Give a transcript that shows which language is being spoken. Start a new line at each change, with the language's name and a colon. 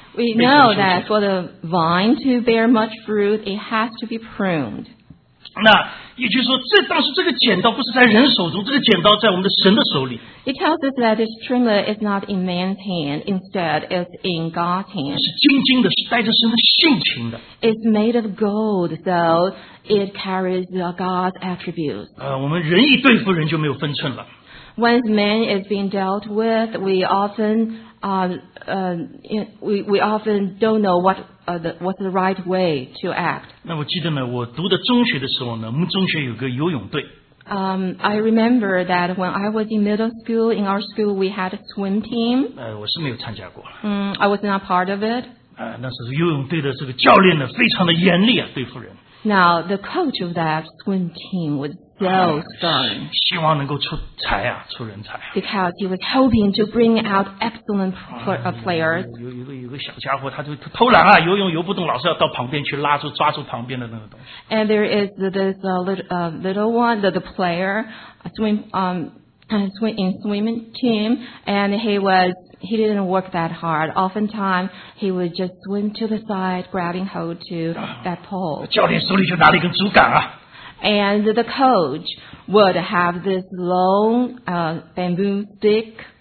English: We know that for the vine to bear much fruit, it has to be pruned.
Chinese: 那也就是说，这当时这个剪刀不是在人手中，这个剪刀在我们的神的手里。
English: It tells us that this trimmer is not in man's hand, instead it's in God's hand.
Chinese: 是晶晶的，是带着神的性情的。
English: It's made of gold, so it carries God's attributes.
Chinese: 我们人一对付人就没有分寸了。
English: When man is being dealt with, we often don't know what's the right way to act.
Chinese: 那我记得呢，我读的中学的时候呢，我们中学有个游泳队。
English: I remember that when I was in middle school, in our school, we had a swim team.
Chinese: 我是没有参加过。
English: I was not part of it.
Chinese: 那时候游泳队的这个教练呢，非常的严厉啊，对付人。
English: Now, the coach of that swim team was so stern.
Chinese: 希望能够出人才啊。
English: Because he was hoping to bring out excellent players.
Chinese: 有个小家伙，他就偷懒啊，游泳游不动，老是要到旁边去拉住，抓住旁边的那个东西。
English: And there is this little one, the player, swimming team, and he didn't work that hard. Oftentimes, he would just swim to the side, grabbing hold to that pole.
Chinese: 教练手里就拿了一根竹竿啊。
English: And the coach would have this long bamboo stick.